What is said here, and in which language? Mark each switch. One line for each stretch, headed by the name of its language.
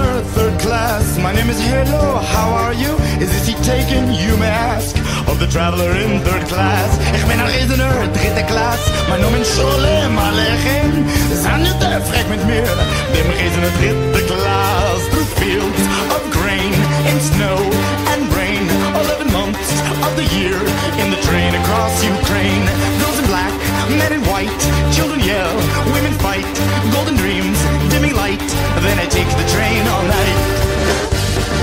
English: My name is Hello, how are you? Is this seat taken, you may ask, of the traveler in third class?
German: Ich bin ein Reisender, dritte Klasse. Mein Name ist Sholem Alechem. Sanjete, frech mit mir, dem Reisender, dritte Klasse.
English: Through fields of grain, in snow and rain, 11 months of the year, in the train across Ukraine. Girls in black, men in white, children yell, women fight, golden dreams, dimming light, then I take the train all night.